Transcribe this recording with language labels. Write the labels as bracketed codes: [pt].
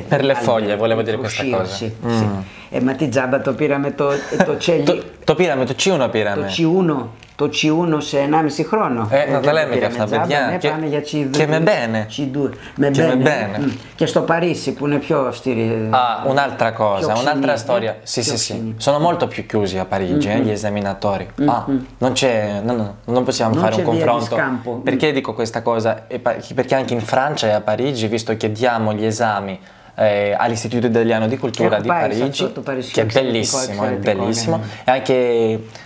[it] Per le foglie, volevo dire questa cosa. Sì, sì. [el] E ma ti giaba το πήραμε το cieli... το πήραμε, το C1 πήραμε. Το C1 σε 1,5 χρόνο. Να τα λέμε και αυτά, παιδιά. Πάμε για C2. Και με bene. C2. Με bene. Και στο Παρίσι που είναι πιο αυστηρή. [it] Α, un'altra cosa, un'altra storia. Sì, sì, sì. Sono molto più chiusi a Parigi, gli esaminatori. Non possiamo fare un confronto. Perché dico questa cosa? Perché anche in Francia e a Parigi, visto che diamo gli esami all'Istituto Italiano di Cultura di Parigi, che è bellissimo, e anche...